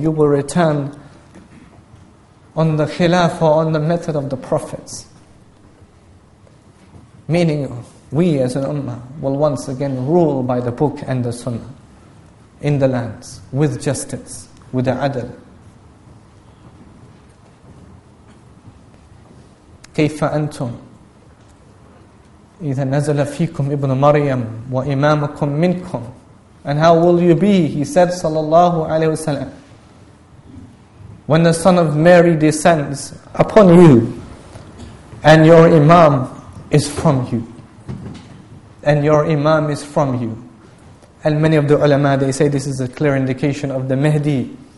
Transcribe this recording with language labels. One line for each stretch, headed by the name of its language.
English: You will return on the khilafa, on the method of the prophets. Meaning, we as an ummah will once again rule by the book and the sunnah in the lands, with justice, with the adl.
Arabic: كيف أنتم إذا نزل فيكم ابن مريم وإمامكم منكم.
English: And how will you be, he said, sallallahu alayhi wa sallam, when the son of Mary descends upon you and your imam is from you. And your imam is from you. And many of the ulama, they say this is a clear indication of the Mahdi.